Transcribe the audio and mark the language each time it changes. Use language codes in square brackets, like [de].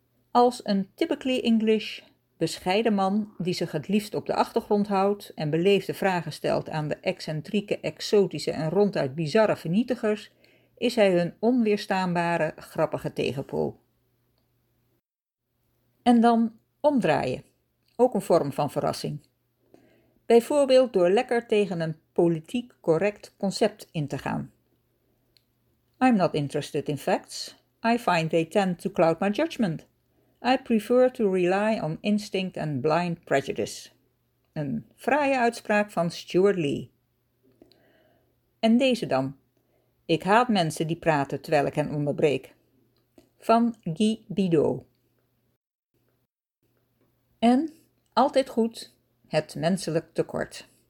[nl] Als een [en] typically English, [nl] bescheiden man die zich het liefst op de achtergrond houdt en beleefde vragen stelt aan de excentrieke, exotische en ronduit bizarre vernietigers, is hij hun onweerstaanbare, grappige tegenpool. En dan omdraaien. Ook een vorm van verrassing. Bijvoorbeeld door lekker tegen een politiek correct concept in te gaan. [en] I'm not interested in facts. I find they tend to cloud my judgment. I prefer to rely on instinct and blind prejudice. [nl] Een fraaie uitspraak van Stuart Lee. En deze dan. Ik haat mensen die praten terwijl ik hen onderbreek. Van Guy Bidot. En, altijd goed, het menselijk tekort.